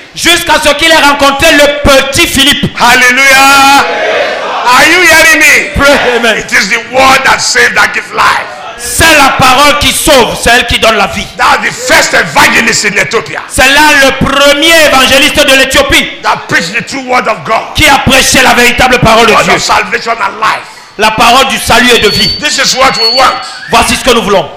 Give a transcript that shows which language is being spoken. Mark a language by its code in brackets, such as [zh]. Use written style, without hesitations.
[fr] Jusqu'à ce qu'il ait rencontré le petit Philippe. [en] Hallelujah. Are you hearing me? Pray, amen. It is the word that saves that gives life. [fr] C'est la parole qui sauve, c'est elle qui donne la vie. [en] That the first evangelist in Ethiopia. [fr] C'est là le premier évangéliste de l'Éthiopie. [en] That preached the true word of God. [fr] Qui a prêché la véritable parole de Dieu. [en] Of salvation and life. [fr] La parole du salut et de vie. [en] This is what we want. [fr] Voici ce que nous voulons.